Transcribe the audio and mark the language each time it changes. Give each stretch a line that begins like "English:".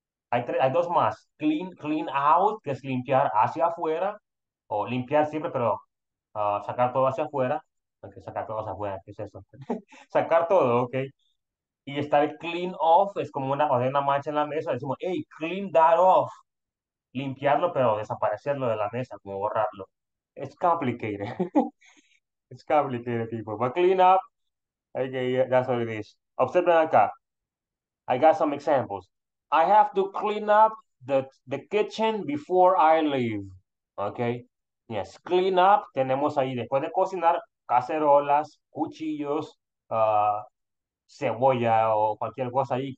Spanish: Hay dos más. Clean out, que es limpiar hacia afuera, o limpiar siempre, pero sacar todo hacia afuera. Okay, sacar todas las weas, ¿qué es eso? Sacar todo, ok. Y estar clean off es como una mancha en la mesa. Decimos,
English: hey, clean that off.
Spanish: Limpiarlo, pero desaparecerlo de la mesa, como borrarlo.
English: It's complicated. It's complicated, people. But clean up, okay, that's what it is.
Spanish: Observen acá.
English: I got some examples. I have to clean up the kitchen before I leave. Okay? Yes, clean up.
Spanish: Tenemos ahí, después de cocinar, cacerolas, cuchillos, cebolla o cualquier cosa ahí.